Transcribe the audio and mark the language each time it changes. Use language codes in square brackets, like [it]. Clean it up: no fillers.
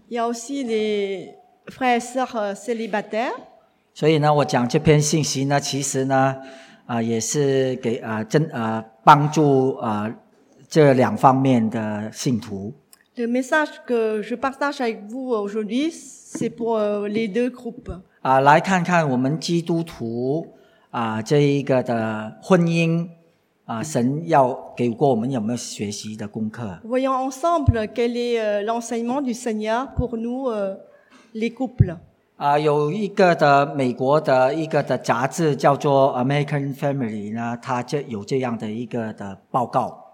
[fr] Il y a aussi les frères et sœurs célibataires. [zh] 所以呢，我讲这篇信息呢，其实呢，也是给帮助这两方面的信徒。 [fr] Le message que je partage avec vous aujourd'hui, c'est pour les deux groupes. [zh] 来看看我们基督徒这一个的婚姻神要给过我们有没有学习的功课。 [fr] Voyons ensemble quel est l'enseignement du Seigneur pour nous les couples. [zh] 有一个的美国的一个的杂志叫做 American Family 呢，它就有这样的一个的报告。